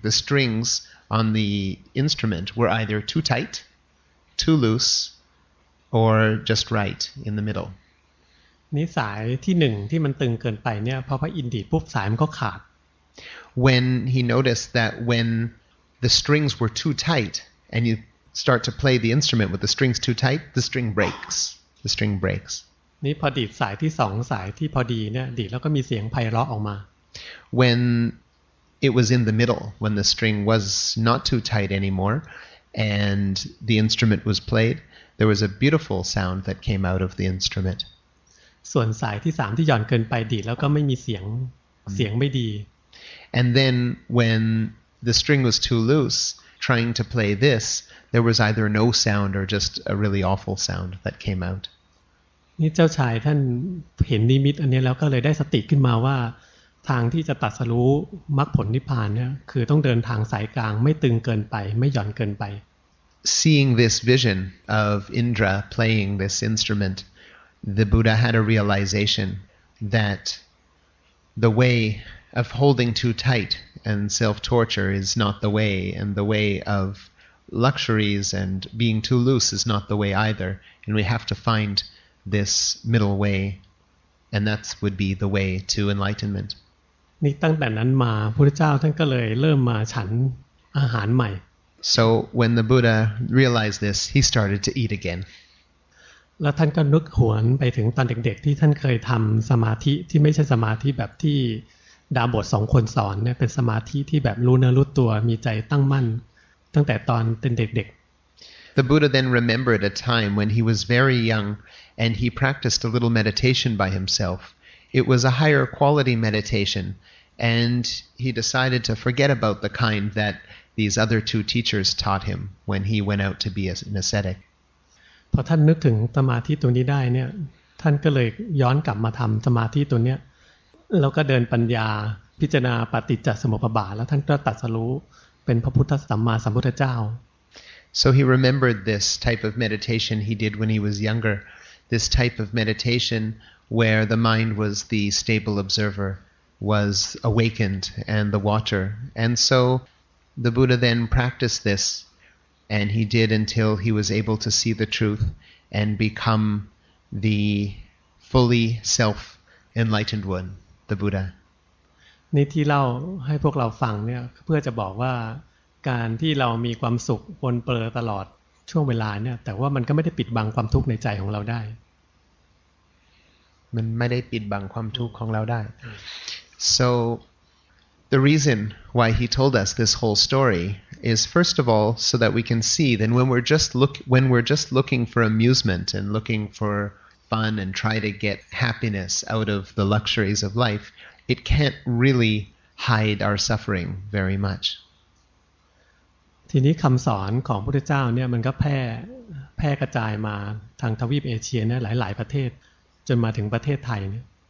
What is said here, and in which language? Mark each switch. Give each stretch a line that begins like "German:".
English: The strings on the instrument were either too tight, too loose, or just right in the middle.
Thai: นิสัยที่หนึ่งที่มันตึงเกินไปเนี่ยพอพระอินทร์ดีดปุ๊บสายมันก็ขาด
English: When he noticed that when the strings were too tight and you start to play the instrument with the strings too tight, the string breaks. The string breaks.
Thai: นี่พอดีดสายที่สองสายที่พอดีเนี่ยดีดแล้วก็มีเสียงไพเราะออกมา
English: When it was in the middle, when the string was not too tight anymore, and the instrument was played, there was a beautiful sound that came out of the instrument.
Thai: ส่วนสายที่สามที่หย่อนเกินไปดีแล้วก็ไม่มีเสียง mm-hmm. เสียงไม่ดี
English: And then when the string was too loose trying to play this there was either no sound or just a really awful sound that came out
Thai: นี่เจ้าชายท่านเห็นนิมิตอันนี้แล้วก็เลยได้สติขึ้นมาว่าทางที่จะตรัสรู้มรรคผลนิพพานเนี่ยคือต้องเดินทางสายกลางไม่ตึงเกินไปไม่หย่อนเกินไป
English: Seeing this vision of Indra playing this instrumentThe Buddha had a realization that the way of holding too tight and self-torture is not the way, and the way of luxuries and being too loose is not the way either, and we have to find this middle way, and that would be the way to enlightenment.
Thai: นี่ตั้งแต่นั้นมาพุทธเจ้าท่านก็เลยเริ่มมาฉันอาหารใหม่
English: So when the Buddha realized this, he started to eat again.
Thai: แล้วท่านก็นึกหวนไปถึงตอนเด็กๆที่ท่านเคยทำสมาธิที่ไม่ใช่สมาธิแบบที่ดาบสองคนสอนเนี่ยเป็นสมาธิที่แบบรู้เนื้อรู้ตัวมีใจตั้งมั่นตั้งแต่ตอนเป็นเด็ก
English: ๆ The Buddha then remembered a time when he was very young and he practiced a little meditation by himself. It was a higher quality meditation and he decided to forget about the kind that these other two teachers taught him when he went out to be an ascetic.
Thai: พอท่านนึกถึงสมาธิตัวนี้ได้เนี่ยท่านก็เลยย้อนกลับมาทำสมาธิตัวเนี้ยแล้วก็เดินปัญญาพิจารณาปฏิจจสมุปบาทแล้วท่านก็ตรัสรู้เป็นพระพุทธสัมมาสัมพุทธเจ้า
English: So he remembered this type of meditation he did when he was younger this type of meditation where the mind was the stable observer was awakened and the watcher and so the Buddha then practiced thisAnd he did until he was able to see the truth and become the fully self-enlightened one, the Buddha.
Thai: นี่ที่เล่าให้พวกเราฟังเนี่ยเพื่อจะบอกว่าการที่เรามีความสุขวนเปรตลอดช่วงเวลาเนี่ยแต่ว่ามันก็ไม่ได้ปิดบังความทุกข์ในใจของเราได้มันไม่ได้ปิดบังความทุกข์ของเราได้
English: So the reason why he told us this whole story. Is first of all so that we can see then when we're just looking for amusement and looking for fun and try to get happiness out of the luxuries of life it can't really hide our suffering very much
Thai: ทีนี้คำสอนของพุทธเจ้าเนี่ยมันก็แพร่กระจายมาทางทวีปเอเชียเนี่ยหลายๆประเทศจนมาถึงประเทศไทยเนี่ย